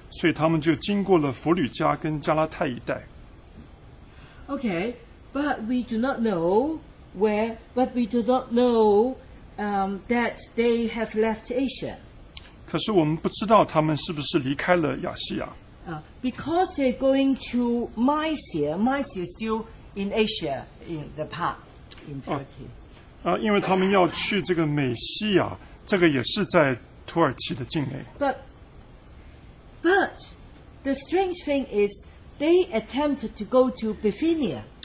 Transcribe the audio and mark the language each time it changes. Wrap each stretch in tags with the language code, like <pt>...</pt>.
<zh>因为圣灵禁止他们在亚细亚讲道，所以他们就经过了弗吕加跟加拉太一带。</zh> <en>Okay, but we do not know. Where, but we do not know that they have left Asia.</en> <zh>可是我们不知道他们是不是离开了亚细亚。</zh> <en>Because they're going to Mysia. Mysia is still in Asia, in the part in Turkey.</en> <zh>因为他们要去这个美西亚，这个也是在土耳其的境内。</zh> <en>But the strange thing is, they attempted to go to Bithynia.</en>